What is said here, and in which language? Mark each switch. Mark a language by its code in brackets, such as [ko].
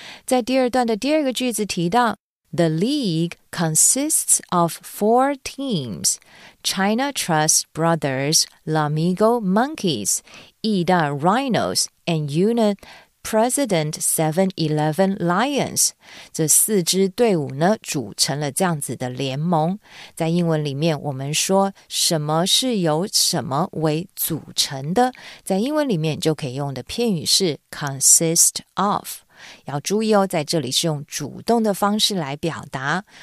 [zh] 在第二段的第二个句子提到。 [en] The league consists of four teams, China Trust Brothers, Lamigo Monkeys, Ida Rhinos, and Unit President 7-Eleven Lions. [zh] 这四支队伍呢，组成了这样子的联盟。在英文里面，我们说什么是由什么为组成的，在英文里面就可以用的片语是 consist of。要注意哦，在这里是用主动的方式来表达。